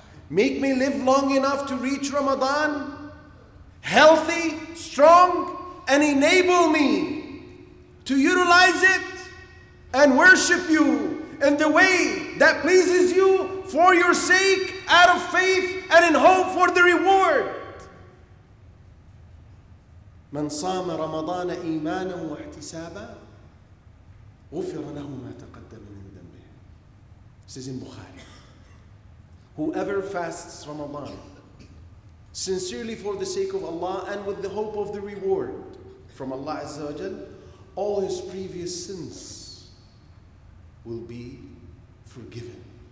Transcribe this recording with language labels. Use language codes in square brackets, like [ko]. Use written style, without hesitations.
[en] Make me live long enough to reach Ramadan, healthy, strong, and enable me to utilize it and worship You in the way that pleases You for Your sake, out of faith and in hope for the reward." [ar] من صام رمضان إيمانا واحتسابا غفر له ما تقدم من ذنبه. [en] Says in Bukhari, whoever fasts Ramadan sincerely for the sake of Allah and with the hope of the reward from Allah Azza wa Jal, all his previous sins will be forgiven.